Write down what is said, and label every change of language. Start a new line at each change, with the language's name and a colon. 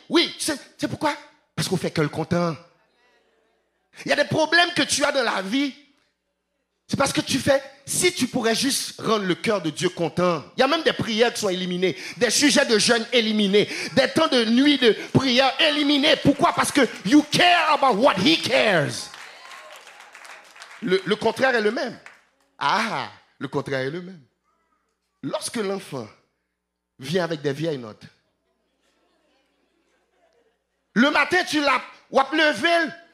French: Oui, c'est pourquoi? Parce qu'on fait que le content. Il y a des problèmes que tu as dans la vie. C'est parce que tu fais. Si tu pourrais juste rendre le cœur de Dieu content, il y a même des prières qui sont éliminées, des sujets de jeûne éliminés, des temps de nuit de prière éliminés. Pourquoi? Parce que
English: you care about what he cares.
French: Le contraire est le même. Ah, le contraire est le même. Lorsque l'enfant vient avec des vieilles notes, le matin, tu l'as levé.